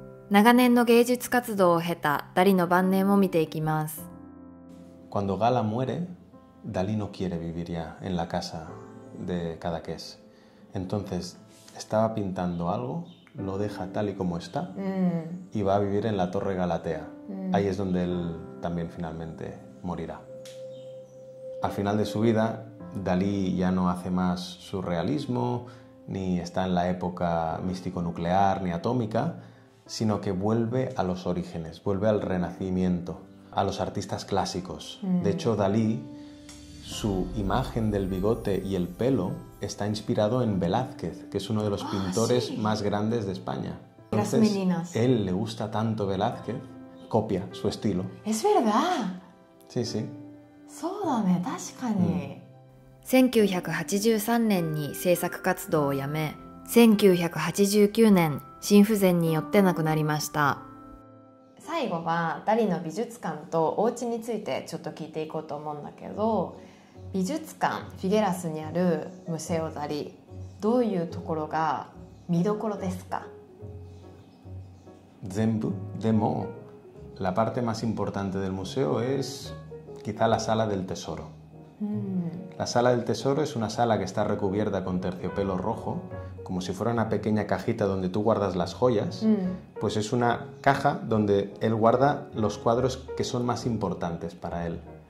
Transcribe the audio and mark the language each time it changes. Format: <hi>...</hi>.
<ja>長年の芸術活動を経たダリの晩年も見ていきます。</ja> <es>Cuando Gala muere, Dalí no quiere vivir ya en la casa de Cadaqués. Entonces, estaba pintando algo, lo deja tal y como está, y va a vivir en la Torre Galatea. Ahí es donde él también finalmente morirá. Al final de su vida, Dalí ya no hace más surrealismo, ni está en la época místico-nuclear ni atómica, sino que vuelve a los orígenes, vuelve al Renacimiento, a los artistas clásicos. De hecho, Dalí, su imagen del bigote y el pelo está inspirado en Velázquez, que es uno de los pintores más grandes de España. Entonces, las meninas. Él le gusta tanto Velázquez, copia su estilo. ¡Es verdad! Sí, sí.</es> <ja>そうだね、確かに。 1983年に制作活動を辞め、1989年、心不全によって亡くなりました。最後はダリの美術館とお家についてちょっと聞いていこうと思うんだけど、美術館、フィゲラスにあるムセオダリ、どういうところが見どころですか？全部。でも、</ja> <es>la parte más importante del museo es... quizá la sala del tesoro. La sala del tesoro es una sala que está recubierta con terciopelo rojo, como si fuera una pequeña cajita donde tú guardas las joyas. Pues es una caja donde él guarda los cuadros que son más importantes para él.</es>